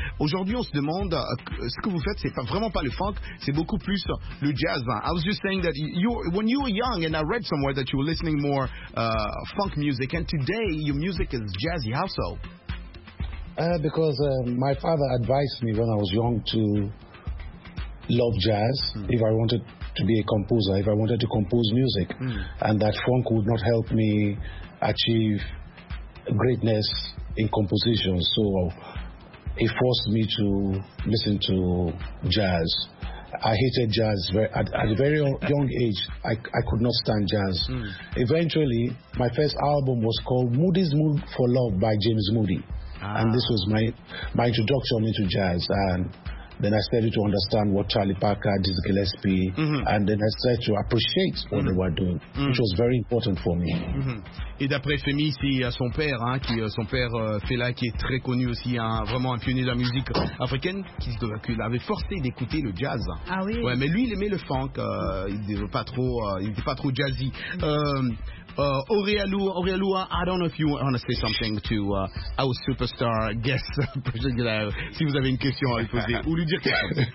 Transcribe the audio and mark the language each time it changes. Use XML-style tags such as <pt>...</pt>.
<fr>Aujourd'hui, on se demande, ce que vous faites, c'est pas, vraiment pas le funk, c'est beaucoup plus le jazz.</fr> <en>I was just saying that you, when you were young, and I read somewhere that you were listening more funk music, and today your music is jazzy. How so? Because my father advised me when I was young to love jazz if I wanted to be a composer, if I wanted to compose music, and that funk would not help me achieve greatness in composition. So he forced me to listen to jazz. I hated jazz at a very young age. I could not stand jazz. Eventually, my first album was called Moody's Mood for Love by James Moody. And this was my introduction into jazz. And then I started to understand what Charlie Parker, Dizzy Gillespie, and then I started to appreciate what they were doing, which was very important for me.</en> <fr>Et d'après Femi, c'est son père, hein, qui son père Fela, qui est très connu aussi, hein, vraiment un pionnier de la musique africaine, qui l'avait forcé d'écouter le jazz. Ah oui. Ouais, mais lui, il aimait le funk. Il n'était pas trop jazzy.</fr> <en>Aurealu, I don't know if you want to say something to our superstar guest, particular.</en> <fr>Si vous avez une question à lui poser, ou lui dire quelque chose.</fr>